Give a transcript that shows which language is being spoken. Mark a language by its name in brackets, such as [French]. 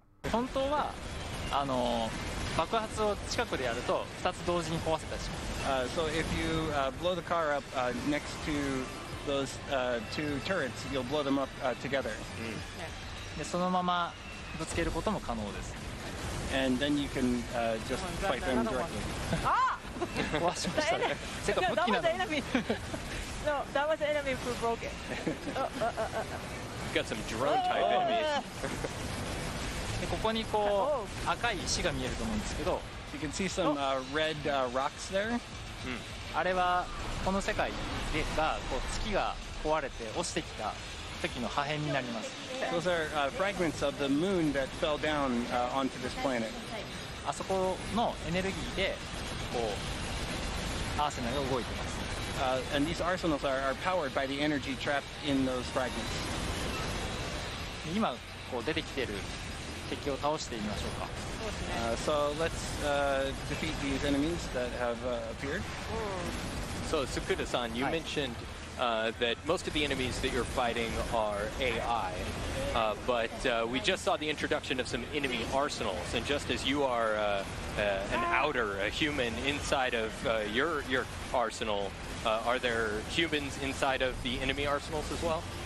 [Japanese] 本当は、あの、爆発を近くでやると2つ同時に壊せたりします。 [English] So if you blow the car up next to those two turrets, you'll blow them up together. [Japanese] で、そのままぶつけることも可能です。 [English] And then you can just fight them directly. [Japanese] ああ壊しましたね。せか武器なの。 [English] That was enemy. No, that was enemy who broke it. You got some drone type enemies. [Japanese] ここにこう赤い石が見えると思うんですけど、 [English] You can see some red rocks there. [Japanese] あれはこの世界がこう月が壊れて落ちてきた時の破片になります。 [English] Those are fragments of the moon that fell down onto this planet. [Japanese] あそこのエネルギーでこうアーセナルが動いてます。 [English] And these arsenals are powered by the energy trapped in those fragments. [Japanese] 今こう出てきてる敵を倒してみましょうか。 [English] So let's defeat these enemies that have appeared. So Tsukuda-san, you mentioned that most of the enemies that you're fighting are AI, but we just saw the introduction of some enemy arsenals, and just as you are an outer, a human inside of your arsenal, are there humans inside of the enemy arsenals as well?